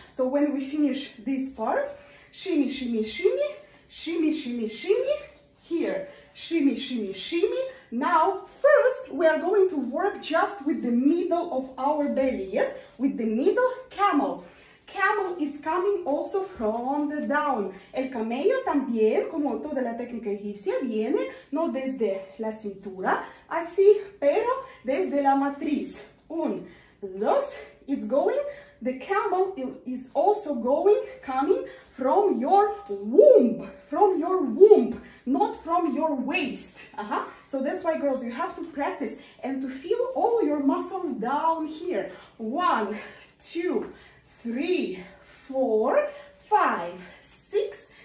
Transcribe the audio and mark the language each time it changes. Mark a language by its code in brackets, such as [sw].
[en] So when we finish this part, shimmy, shimmy, shimmy, shimmy, shimmy, shimmy, here. Shimmy, shimmy, shimmy. Now, first, we are going to work just with the middle of our belly, yes? With the middle, camel. Camel is coming also from the down. [es] El camello también, como toda la técnica egipcia, viene no desde la cintura, así, pero desde la matriz. Un, dos, [en] it's going. The camel is also going, coming from your womb. From your womb, not from your waist. So that's why, girls, you have to practice and to feel all your muscles down here. One, two, three, four, five, six,